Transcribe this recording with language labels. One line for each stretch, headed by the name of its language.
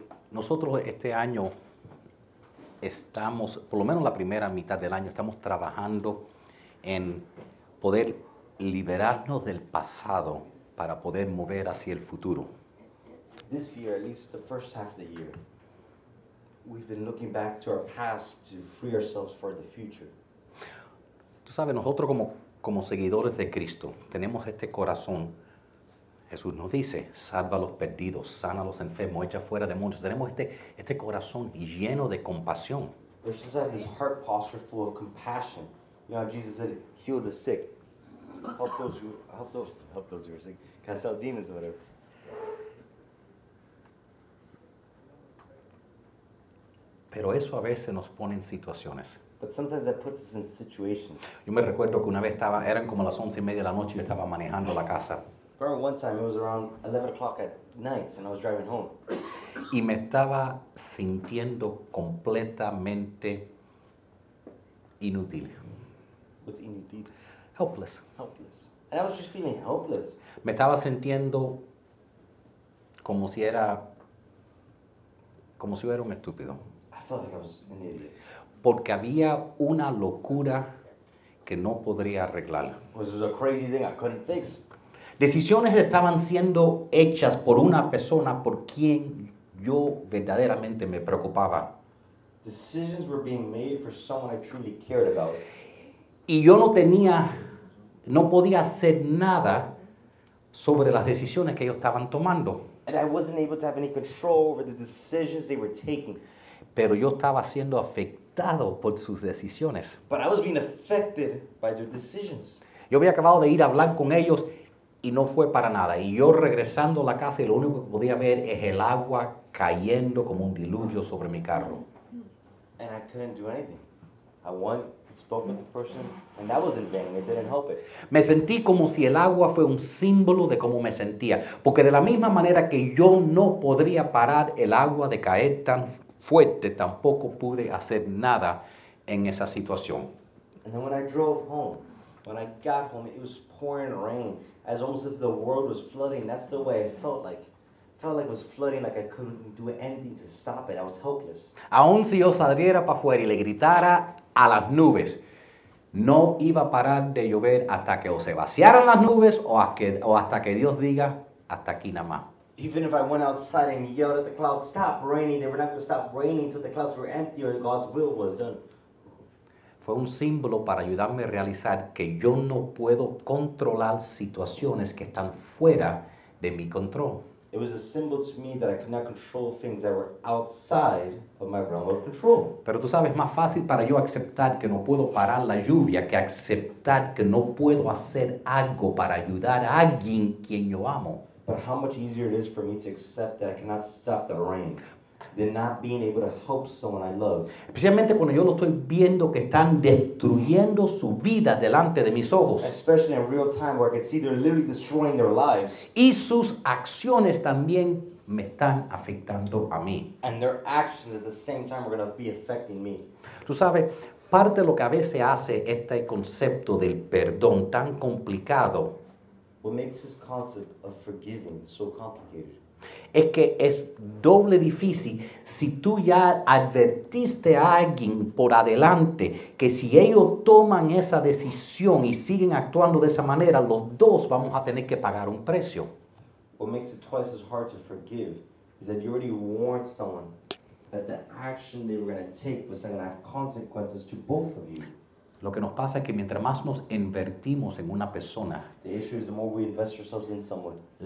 Spanish: Nosotros este año estamos, por lo menos la primera mitad del año, estamos trabajando en poder liberarnos del pasado para poder mover hacia el futuro.
English: This year, at least the first half of the year, we've been looking back to our past to free ourselves for the future.
Spanish: Tú sabes, nosotros como seguidores de Cristo, tenemos este corazón. Jesús nos dice, salva a los perdidos, sana a los enfermos, echa fuera demonios. Tenemos este corazón lleno de compasión.
English: We're supposed to have this heart posture full of compassion. You know, Jesus said, heal the sick. Help those who are sick. Cast out demons or whatever.
Spanish: Pero eso a veces nos pone en situaciones.
English: But sometimes that puts us in situations.
Spanish: Yo me recuerdo que una vez estaba, eran como las 11:30 de la noche y yo estaba manejando la casa.
English: I remember one time, it was around 11 o'clock at night, and I was driving home.
Spanish: Y me estaba sintiendo completamente inútil.
English: What's inútil? Helpless. Helpless. And I was just feeling helpless.
Spanish: Me estaba sintiendo como si era, como si fuera un estúpido.
English: I felt like I was an idiot.
Spanish: Porque había una locura que no podría arreglar.
English: This was a crazy thing I couldn't fix.
Spanish: Decisiones estaban siendo hechas por una persona por quien yo verdaderamente me preocupaba.
English: Decisions were being made for someone I truly cared about.
Spanish: Y yo no tenía, no podía hacer nada sobre las decisiones que ellos estaban tomando.
English: And I wasn't able to have any control over the decisions they were taking.
Spanish: Pero yo estaba siendo afectado por sus decisiones.
English: But I was being affected by their decisions.
Spanish: Yo había acabado de ir a hablar con ellos. Y no fue para nada. Y yo regresando a la casa y lo único que podía ver es el agua cayendo como un diluvio sobre mi carro.
English: And I couldn't do anything. I went and spoke with the person and that was in vain. It didn't help it.
Spanish: Me sentí como si el agua fue un símbolo de cómo me sentía. Porque de la misma manera que yo no podría parar el agua de caer tan fuerte, tampoco pude hacer nada en esa situación.
English: And then when I drove home, when I got home, it was pouring rain. As almost if the world was flooding, that's the way I felt like. Felt like it was flooding, like I couldn't do anything to stop it. I was helpless.
Spanish: Aun si yo saliera para afuera y le gritara a las nubes, no iba a parar de llover hasta que o se vaciaran las nubes o hasta que Dios diga, hasta aquí nada más.
English: Even if I went outside and yelled at the clouds, stop raining, they were not going to stop raining until the clouds were empty or God's will was done.
Spanish: Fue un símbolo para ayudarme a realizar que yo no puedo controlar situaciones que están fuera de mi control.
English: It was a symbol to me that I could not control things that were outside of my realm of control.
Spanish: Pero tú sabes, es más fácil para yo aceptar que no puedo parar la lluvia que aceptar que no puedo hacer algo para ayudar a alguien quien yo amo.
English: But how much easier it is for me to accept that I cannot stop the rain. Than not being able to help someone I love.
Spanish: Especialmente cuando yo lo estoy viendo que están destruyendo su vida delante de mis ojos.
English: Especially in real time where I can see they're literally destroying their lives.
Spanish: Y sus acciones también me están afectando a mí.
English: And their actions at the same time are going to be affecting me.
Spanish: Tú sabes, parte de lo que a veces hace este concepto del perdón tan complicado.
English: What makes this concept of forgiving so complicated?
Spanish: Es que es doble difícil si tú ya advertiste a alguien por adelante que si ellos toman esa decisión y siguen actuando de esa manera, los dos vamos a tener que pagar un precio.
English: What makes it twice as hard to forgive is that you already warned someone that the action they were going to take was going to have consequences to both of you.
Spanish: Lo que nos pasa es que mientras más nos invertimos en una persona,
English: the issue is the more we invest ourselves in someone,